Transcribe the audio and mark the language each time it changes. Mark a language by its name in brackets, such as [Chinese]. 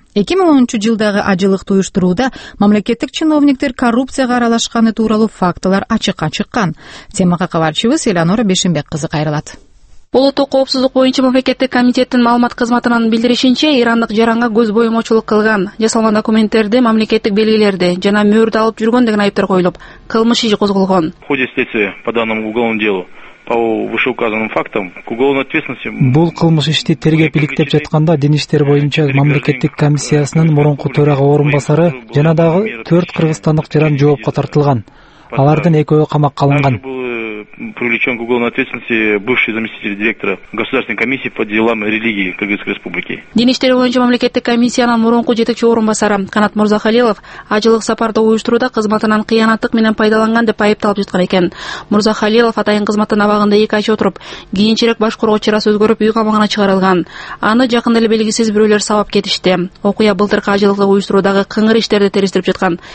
[Kyrgyz] 2010 жылдагы ажылыкты уюштурууда мамлекеттик чиновниктер коррупцияга аралашканы тууралуу фактылар ачыкка чыккан. Темага кабарчыбыз Эленора Бешимбек кызы кайрылат. Улуттук коопсуздук боюнча мамлекеттик комитеттин маалымат кызматынын билдиришинче, ирандык жаранга көз боемочулук кылган, жасалган документтерди, мамлекеттик белгилерди жана мөөрдү алып жүргөн деген айыптар коюлуп, кылмыш иши козголгон. [Russian] В ходе следствия по данному уголовному делу по вышеуказанным фактам к уголовной ответственности. [Kyrgyz] Бул кылмыш ишти тергеп иликтеп жатканда дин иштер боюнча мамлекеттик комиссиясынын мурунку төрага орун басары жана дагы 4 кыргызстандык жаран жоопко тартылган. Алардын экөө камакка алынган. [Russian] Привлечен к уголовной ответственности бывший заместитель директора Государственной комиссии по делам религии Кыргызской Республики. [Kyrgyz] Дин иштери боюнча мамлекеттик комиссиянын мурунку жетекчи орун басары Канат Мурзахалилов ажылык сапарды уюштурууда кызматынан кыянаттык менен пайдаланган деп айыпталып жаткан экен. Мурзахалилов атайын кызматтын абагында 2 ай отуруп, кийинчерээк баш коргоо чарасы өзгөрүп үй камагына чыгарылган. Аны жакын эле белгисиз бирөөлөр сабап кетишти. Окуя былтыркы ажылыкты уюштуруудагы кыңыр иштерди териштирип жаткан.